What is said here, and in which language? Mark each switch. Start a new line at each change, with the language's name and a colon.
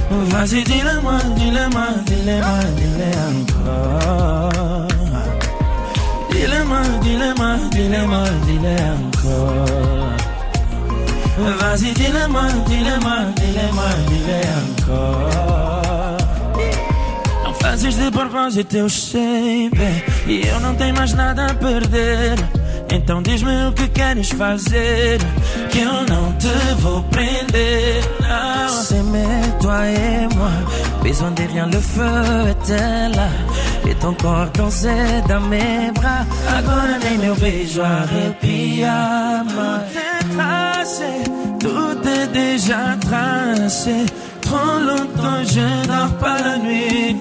French: Vas-y, dis-le-moi, dis-le-moi, dis-le-moi, dis-le-moi. Dis-le-moi, dis-le-moi, dis-le-moi, dis-le-moi. Vas-y, dis-le-moi, dis-le-moi, dis-le-moi, dis-le-moi.
Portuguese: Não fazes de propósito, eu sei bem. E eu não tenho mais nada a perder. Então diz-me o que queres fazer. Que eu não te vou prender.
French: Não. C'est mais toi et moi. Besoin de rien, le feu était là. Et ton corps dansé dans mes bras.
Portuguese: Agora nem meu beijo arrepia.
French: Tout est tracé. Tout est déjà tracé. Trop longtemps je dors pas la nuit.